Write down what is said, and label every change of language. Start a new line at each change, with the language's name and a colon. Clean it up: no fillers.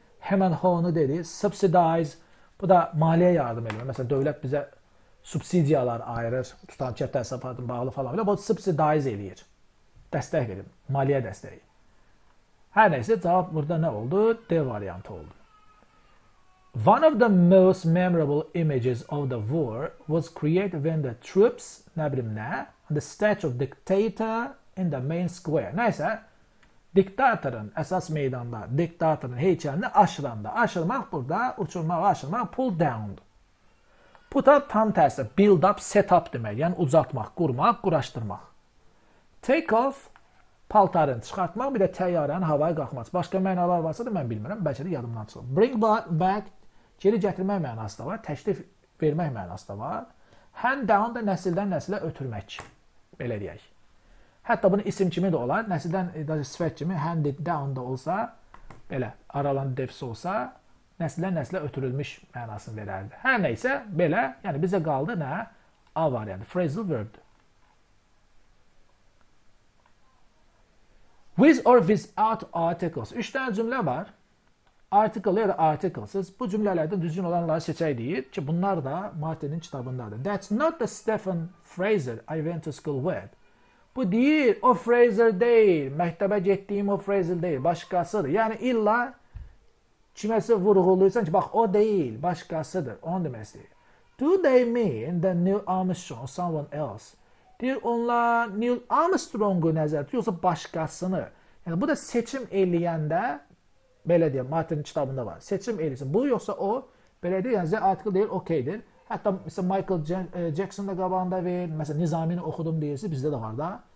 Azerbaijani: Hemen honu dedi, subsidize, bu da maliyyə yardım edir. Məsələn, dövlət bizə subsidiyalar ayırır, tutan kəb təsafatın bağlı falan filan, bu subsidize eləyir. Dəstək verir, maliyyə dəstəyi. Hər nəsə, cavab burada nə oldu? D variantı oldu.
English: One of the most memorable images of the war was created when the troops,
Azerbaijani: nə bilim nə,
English: the statue of dictator in the main square.
Azerbaijani: Nəsə, diktatorun, əsas meydanda, diktatorun heykəlində aşıranda. Aşırmaq burada, uçurmaq, aşırmaq, pull down'dur. Put up tam tərsi, build up, set up demək, yəni uzatmaq, qurmaq, quraşdırmaq. Take off, paltarın çıxartmaq, bir də təyyarənin havaya qalxmaq. Başqa mənalar varsa da mən bilmirəm, bəlkə də yadımdan çıxır. Bring back, geri gətirmək mənası da var, təklif vermək mənası da var. Hand down da nəsildən nəsilə ötürmək, belə deyək. Hətta bunun isim kimi də olar, nəsildən sifət kimi handed down da olsa, belə aralan defs olsa, nəsildən nəsilə ötürülmüş mənasını verərdi. Hər nə isə belə, yəni bizə qaldı nə? A var, yəni phrasal verb.
English: With or without articles.
Azerbaijani: 3 dənə cümlə var. Article ya da articlesiz. Bu cümlələrdə düzgün olanları seçək deyir ki, bunlar da Martin'in kitabındadır.
English: That's not the Stephen Fraser I went to school with.
Azerbaijani: Bu deyil, o Fraser deyil. Məktəbə getdiyim o Fraser deyil. Başqasıdır. Yəni, illa kiməsə vurğuluysan ki, bax, o deyil. Başqasıdır. Onu demək istəyir.
English: Do they mean the Neil Armstrong or someone else?
Azerbaijani: Deyir, onlar Neil Armstrong'u nəzər tutur, yoxsa başqasını. Yəni, bu da seçim eləyəndə, belə deyək, Martin'in kitabında var. Seçim eləyəsin. Bu, yoxsa o, belə deyək, yəni, article deyil, okeydir. Hətta, məsələn, Michael Jackson da qabağında verir, məsələn, Nizamini oxudum deyirsə, bizdə də var da.